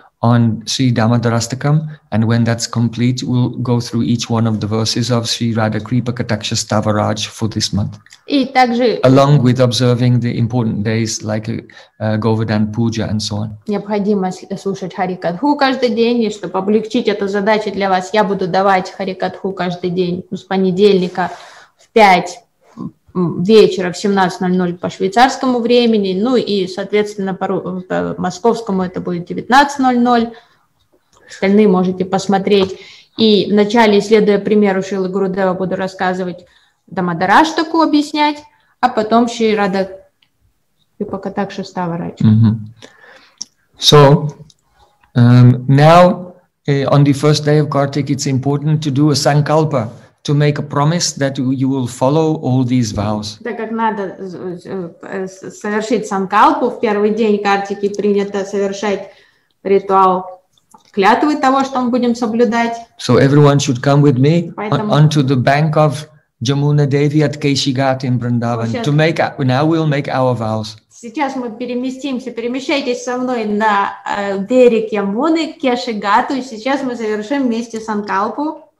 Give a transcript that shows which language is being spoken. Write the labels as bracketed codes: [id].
[en] on Sri Damodarastakam, and when that's complete, we'll go through each one of the verses of Sri Radha Kripa Kataksha Stavaraj for this month. [ru] И также [en] along with observing the important days like Govardhan Puja and so on. [ru] Необходимо слушать Харикатху каждый день, и чтобы облегчить эту задачу для вас, я буду давать Харикатху каждый день с понедельника в 5 вечера в 17:00 по швейцарскому времени, ну и, соответственно, по московскому это будет 19:00. Остальные можете посмотреть. И вначале, следуя примеру Шрилы Гурудева, буду рассказывать Дамодараштаку, объяснять, а потом Шри Радха Крипа Катакша Ставарадж. [en] So, now, on the first day of Kartik, it's important to do a sankalpa, to make a promise that you will follow all these vows. [ru] Так как надо совершить санкалпу, в первый день Картики принято совершать ритуал клятвы того, что мы будем соблюдать. [en] So everyone should come with me onto the bank of Jamuna Devi at Keshigat in Vrindavan now we'll make our vows. [ru] Сейчас мы перемещайтесь со мной на берег Ямуны, Кешигату, и сейчас мы завершим вместе санкалпу.